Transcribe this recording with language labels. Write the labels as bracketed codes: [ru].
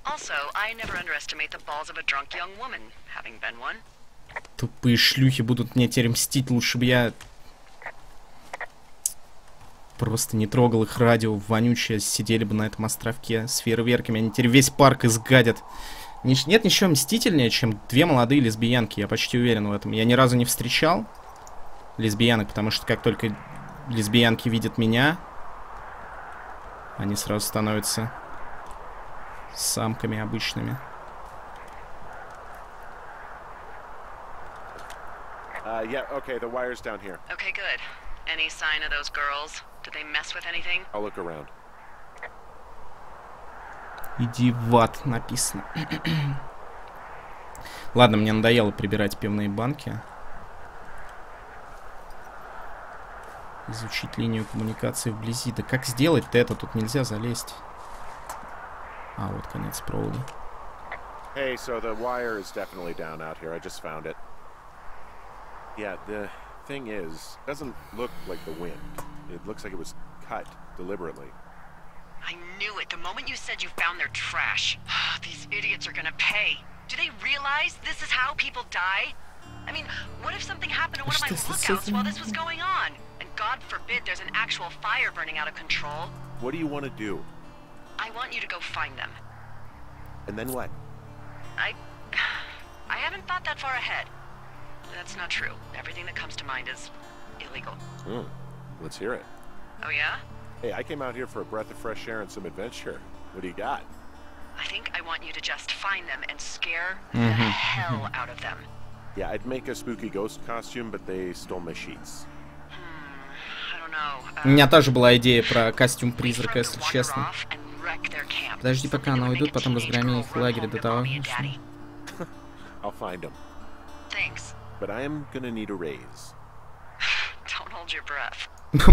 [en] Also, I never underestimate the balls of a drunk young woman, having been one. [ru] Тупые шлюхи будут мне теперь мстить, лучше бы я просто не трогал их радио, вонючие сидели бы на этом островке с фейерверками, они теперь весь парк изгадят. Нет ничего мстительнее, чем две молодые лесбиянки, я почти уверен в этом. Я ни разу не встречал лесбиянок, потому что как только лесбиянки видят меня, они сразу становятся самками обычными. [en] Yeah, okay, the wire's down here. Okay, good. Any sign of those girls? Did they mess with anything? I'll look around. [ru] Иди в ад, написано. Ладно, мне надоело прибирать пивные банки. Изучить линию коммуникации вблизи. Да как сделать-то это? Тут нельзя залезть. А, вот конец провода. [en] Hey, so the wire is definitely down out here. I just found it. Yeah, the thing is, it doesn't look like the wind. It looks like it was cut deliberately. I knew it. The moment you said you found their trash, these idiots are gonna pay. Do they realize this is how people die? I mean, what if something happened to one of my lookouts while this was going on? And God forbid there's an actual fire burning out of control. What do you want to do? I want you to go find them. And then what? I haven't thought that far ahead. That's not true. Everything that comes to mind is illegal. Hmm. Let's hear it. Oh yeah? Hey, I came out here for a breath of fresh air and some adventure. What do you got? I think I want you to just find them and scare the hell out of them. Yeah, I'd make a spooky ghost costume, but they stole my sheets. I don't know. [ru] У меня тоже была идея про костюм призрака, если честно. Подожди, пока она уйдет, потом разгроми их лагерь до того. [en] I'll find them. Thanks. But I'm gonna need a raise. Don't hold your breath.